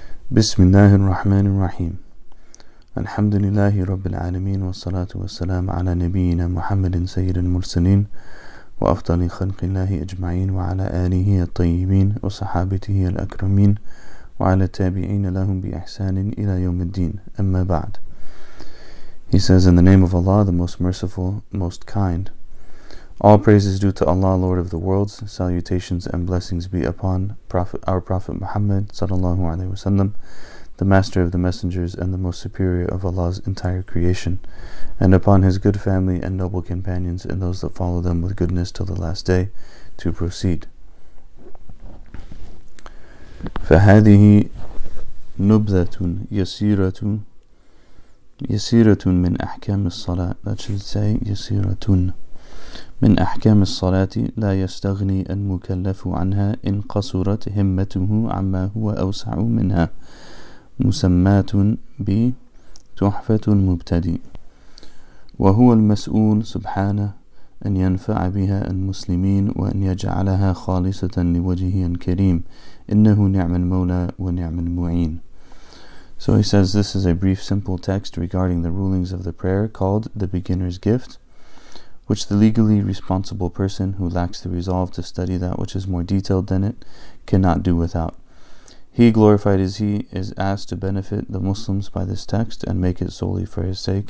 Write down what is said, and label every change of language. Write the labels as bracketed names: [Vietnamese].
[Arabic] بسم الله الرحمن الرحيم. الحمد لله رب العالمين والصلاة والسلام على نبينا محمد سيد المرسلين وأفضل خلق الله أجمعين وعلى آله الطيبين وصحابته الأكرمين وعلى التابعين لهم بإحسان إلى يوم الدين. أما بعد. [English] He says, in the name of Allah, the most merciful, most kind. All praise is due to Allah, Lord of the worlds. Salutations and blessings be upon our Prophet Muhammad sallallahu alaihi wasallam, the master of the messengers and the most superior of Allah's entire creation, and upon his good family and noble companions and those that follow them with goodness till the last day, to proceed. [Arabic] فَهَذِهِ نُبْذَةٌ يَسِيرَةٌ مِنْ أَحْكَامِ الصَّلَاةِ. [English] That should say [Arabic] يَسِيرَةٌ من أحكام الصلاة لا يستغني المكلف عنها إن قصرت همته عما هو أوسع منها مسمات بتحفة المبتدئ. وهو المسؤول سبحانه أن ينفع بها المسلمين وأن يجعلها خالصة لوجهه الكريم إنه نعم المولى ونعم المعين. [English] So he says, this is a brief simple text regarding the rulings of the prayer called the beginner's gift, which the legally responsible person who lacks the resolve to study that which is more detailed than it cannot do without. He, glorified as he, is asked to benefit the Muslims by this text and make it solely for his sake.